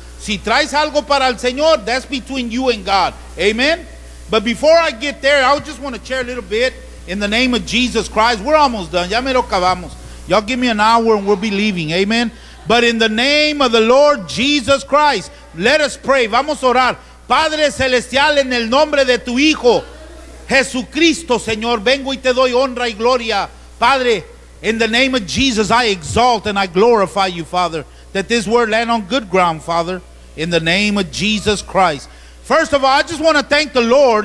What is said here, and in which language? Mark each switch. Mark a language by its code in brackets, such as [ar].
[es] Si traes algo para el Señor, [en] that's between you and God. [es] Amen? [en] But before I get there, I just want to share a little bit in the name of Jesus Christ. We're almost done. [es] Ya mero acabamos. [en] Y'all give me an hour and we'll be leaving. Amen? But in the name of the Lord Jesus Christ, let us pray. [es] Vamos a orar. Padre Celestial, en el nombre de tu Hijo, Jesucristo, Señor, vengo y te doy honra y gloria. [en] Padre, in the name of Jesus, I exalt and I glorify you, Father, that this word land on good ground, Father, in the name of Jesus Christ. First of all, I just want to thank the Lord.